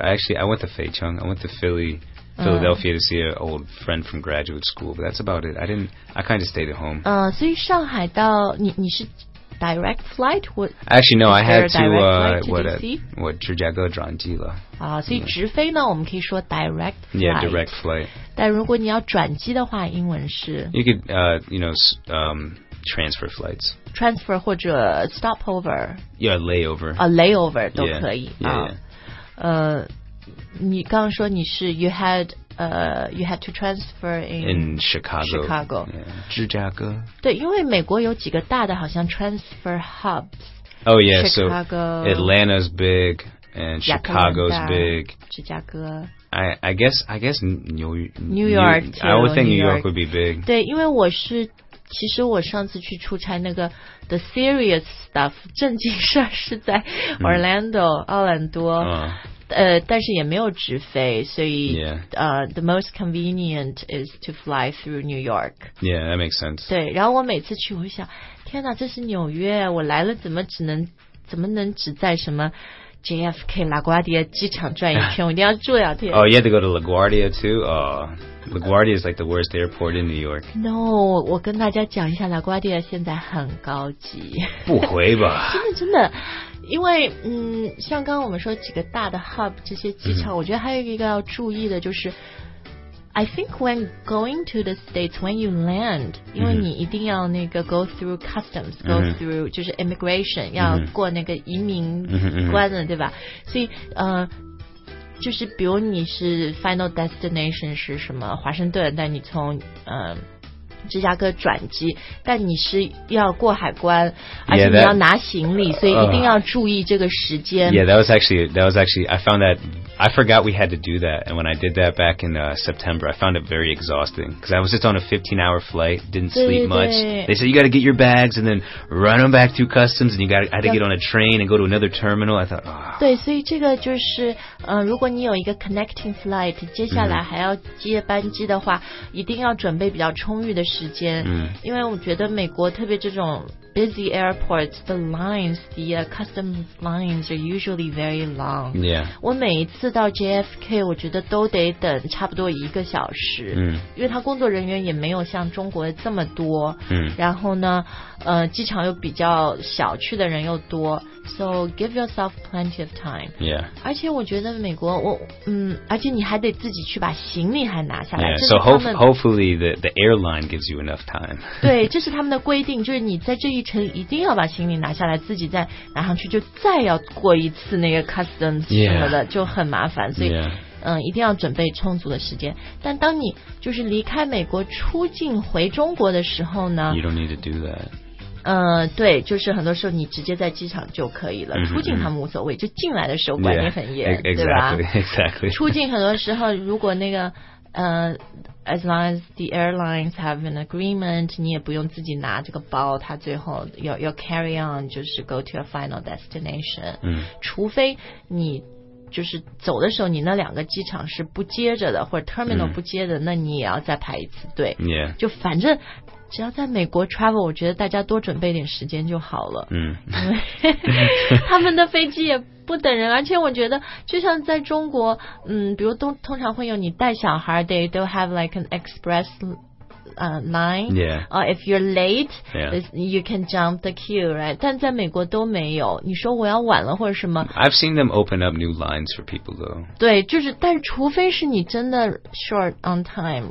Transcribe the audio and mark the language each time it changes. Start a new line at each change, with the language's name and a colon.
English: I went to Feicheng. I went to Philadelphia to see an old friend from graduate school. But that's about it. I kind of stayed at home.
Chinese: 所以上海到你是。
English: Direct flight? I had to what
Chinese: 直接个转机了。所以直飞呢，我们可以说
English: direct flight. Yeah, direct flight.
Chinese: 但如果你要转机的话，英文是
English: you could transfer flights. Transfer
Chinese: 或者
English: stopover. Yeah, layover. A layover
Chinese: 都可以。你刚刚说你是
English: you had to transfer in Chicago. Chicago. Yeah.
Chinese: 芝加哥。对，因为美国有几个大的，好像
English: transfer hubs. Oh yeah, Chicago, so Atlanta's big and Chicago's big.
Chinese: 芝加哥。
English: I guess New York. I would think New York would be big.
Chinese: 对，因为我是。其实我上次去出差那个
English: the serious stuff
Chinese: 正经事是在 Orlando 奥兰多但是也没有直飞所以
English: the most convenient is to fly through New York yeah that makes sense
Chinese: 对然后我每次去我想天哪这是纽约我来了怎么能只在什么JFK LaGuardia 机场转一天，我一定要住两天。
English: Oh, you had to go to LaGuardia too. LaGuardia is like the worst airport in New York.
Chinese: No, 我跟大家讲一下 ，LaGuardia 现在很高级。不回吧？真的，因为像刚我们说几个大的 hub 这些机场，我觉得还有一个要注意的就是 ，
English: I think when going to the states when you land，
Chinese: 因为你一定要那个
English: go through customs， go through
Chinese: 就是 immigration， 要过那个移民关的，对吧？所以就是比如你是
English: final destination
Chinese: 是什么华盛顿，但你从芝加哥转机，但你是要过海关，而且你要拿行李，
English: yeah, that,
Chinese: 所以一定要注意这个时间。
English: Yeah, that was actually I found that I forgot we had to do that, and when I did that back in September, I found it very exhausting, because I was just on a 15-hour flight, didn't sleep much. They said, you got to get your bags and then run them back through customs, and you got to get on a train and go to another terminal. I thought, oh.
Chinese: 对，所以这个就是，如果你有一个
English: connecting flight,
Chinese: 接下来还要接班机的话，一定要准备比较充裕的时间，因为我觉得美国特别这种
English: busy airports, the lines, the custom lines are usually very long. Yeah.
Chinese: 我每一次到 JFK, 我觉得都得等差不多一个小时。因为他工作人员也没有像中国这么多。然后呢，机场又比较小，去的人又多。
English: So give yourself plenty of time. Yeah.
Chinese: 而且我觉得美国，我，而且你还得自己去把行李还拿下来。
English: Yeah, so hopefully the airline gives you enough time.
Chinese: 对，这是他们的规定，就是你在这一程一定要把行李拿下来，自己再拿上去，就再要过一次那个 customs 什么的，就很麻烦。所以，
English: yeah.
Chinese: 一定要准备充足的时间。但当你就是离开美国出境回中国的时候呢
English: ？You don't need to do that.
Chinese: 对，就是很多时候你直接在机场就可以了，出境他们无所谓，就进来的时候管理很严，
English: yeah, exactly,
Chinese: 对吧
English: ？Exactly.
Chinese: 出境很多时候，如果那个
English: as long as the airlines have an agreement,
Chinese: 你也不用自己拿这个包，它最后
English: you'll carry on,
Chinese: 就是
English: go to your final destination.
Chinese: 除非你就是走的时候你那两个机场是不接着的，或者 terminal 不接的，那你也要再排一次队。
English: Yeah.
Chinese: 就反正。只要在美国 travel, 我觉得大家多准备点时间就好了。他们的飞机也不等人，而且我觉得就像在中国，比如通常会有你带小孩 ，
English: they do have like an express, line. Yeah. If you're late, yeah. you can jump the queue, right?
Chinese: 但在美国都没有。你说我要晚了或者什么
English: ？I've seen them open up new lines for people though.
Chinese: 对，就是，但除非是你真的
English: short on time.